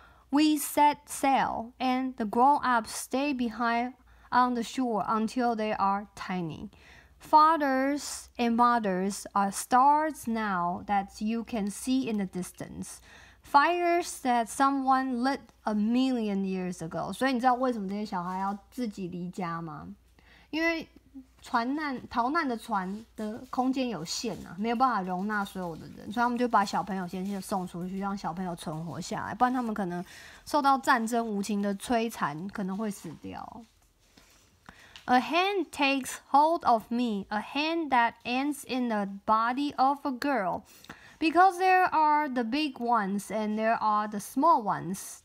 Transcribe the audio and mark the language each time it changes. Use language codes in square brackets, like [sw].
[en] We set sail, and the grown-ups stay behind on the shore until they are tiny. Fathers and mothers are stars now that you can see in the distance. Fires that someone lit a million years ago. [zh] 所以你知道为什么这些小孩要自己离家吗？因为逃难的船的空间有限啊，没有办法容纳所有的人，所以他们就把小朋友先送出去，让小朋友存活下来，不然他们可能受到战争无情的摧残，可能会死掉。 [en] A hand takes hold of me, a hand that ends in the body of a girl. Because there are the big ones and there are the small ones.